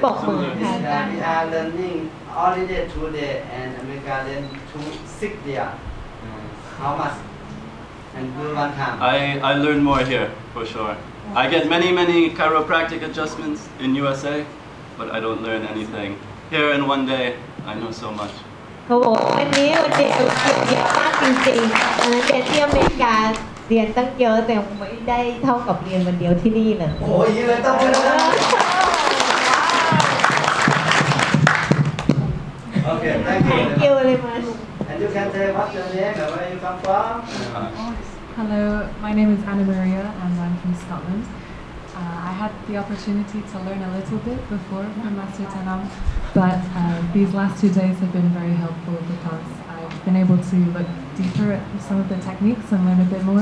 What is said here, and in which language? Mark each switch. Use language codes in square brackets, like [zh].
[en] We are learning all day, 2 days, and America then 2-6 years. How much? And do one time. I learn more here, for sure. I get many, many chiropractic adjustments in USA, but I don't learn anything. Here in 1 day,I know so much. [th] เขาบอกวันนี้วันเดียวเยอะมากจริงๆแต่ที่อเมริกาเรียนตั้งเยอะแต่ไม่ได้เท่ากับเรียนวันเดียวที่นี่นะ โอ้ยเลยต้องเจอโอเค [en] thank you thank you very much and you can say what's your name and where you come from hello my name is Anna Maria and I'm from ScotlandI had the opportunity to learn a little bit before from Master Tan Om, but these last 2 days have been very helpful because I've been able to look deeper at some of the techniques and learn a bit more.